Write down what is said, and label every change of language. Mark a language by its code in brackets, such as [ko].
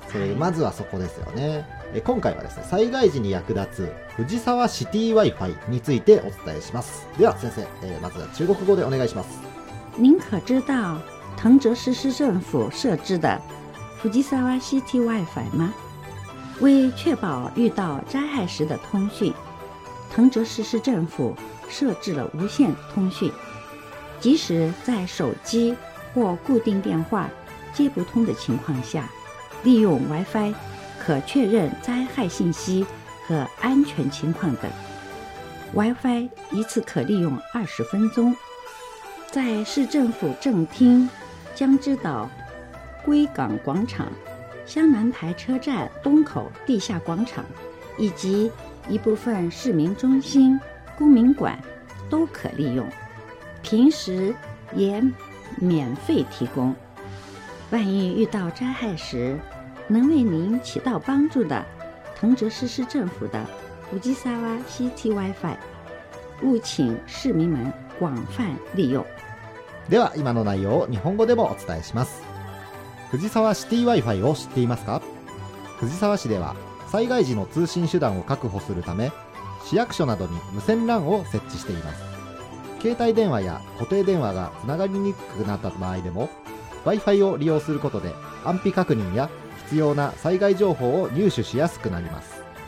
[ja] それまずはそこですよね。はい、今回はですね、災害時に役立つ藤沢シティ Wi-Fi についてお伝えします。では先生、まずは中国語でお願いします。 [zh] 您可知道藤泽市市政府设置的藤沢シティ Wi-Fi 吗？为确保遇到灾害时的通讯，藤泽市市政府设置了无线通讯，即使在手机或固定电话接不通的情况下，利用 Wi-Fi 可确认灾害信息和安全情况等。 Wi-Fi 一次可利用20分钟，在市政府正厅、江之岛、归港广场、湘南台车站东口地下广场以及一部分市民中心、公民馆都可利用，平时也免费提供。万一遇到灾害时，能为您起到帮助的藤泽市市政府的藤沢シティ Wi-Fi， 务请市民们广泛利用。 [ja] では今の内容を日本語でもお伝えします。藤沢シティ Wi-Fi を知っていますか？藤沢市では災害時の通信手段を確保するため、市役所などに無線 LAN を設置しています。携帯電話や固定電話がつながりにくくなった場合でも、 Wi-Fi を利用することで安否確認や必要な災害情報を入手しやすくなります。